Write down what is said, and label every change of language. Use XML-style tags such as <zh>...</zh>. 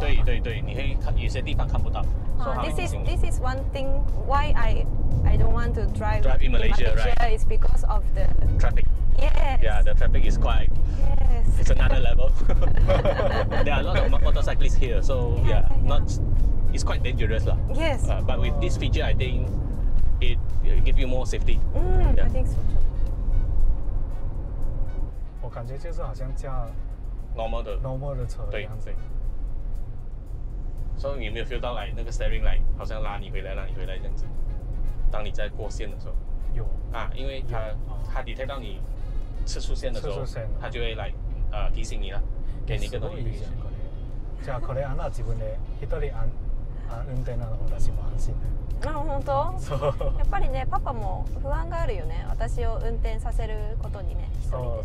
<zh>对，你会看有些地方看不到。</zh> <en>This is one thing why I don't want to drive. Drive in Malaysia, right? It's because of the traffic. Yes. Yeah, the traffic is quite. Yes. It's another level. There are a lot of motorcyclists here, so it's quite dangerous lah. Yes. But with this feature, I think it give you more safety. I think so too.</en> <zh>我感觉就是好像驾。 Normal 的车的样子，所以你有没有 feel 到来那个 steering light 好像拉你回来这样子？当你在过线的时候，有啊，因为它 detect 到你吃出线的时候，它就会来提醒你了，给你一个东西提醒。</zh> <ja>じゃあこれあなた自分で一人運転なの私も安心ね。あ、本当？そう。やっぱりね、パパも不安があるよね。私を運転させることにね、一人で。</ja>